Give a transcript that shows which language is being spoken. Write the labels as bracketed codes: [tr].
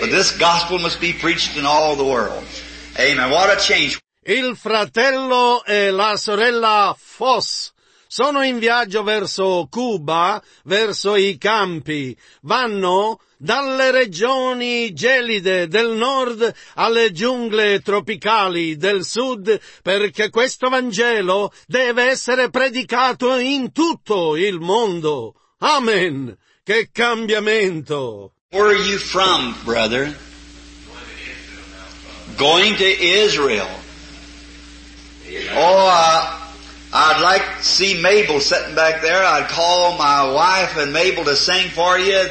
[en] But this gospel must be preached in all the world. Amen. What a change. [it] Il fratello e la sorella Foss sono in viaggio verso Cuba, verso i campi. Vanno dalle regioni gelide del nord alle giungle tropicali del sud, perché questo Vangelo deve essere predicato in tutto il mondo. Amen! Che cambiamento! [en] Where are you from, brother? Going to Israel. Oh, I'd like to see Mabel sitting back there. I'd call my wife and Mabel to sing for you.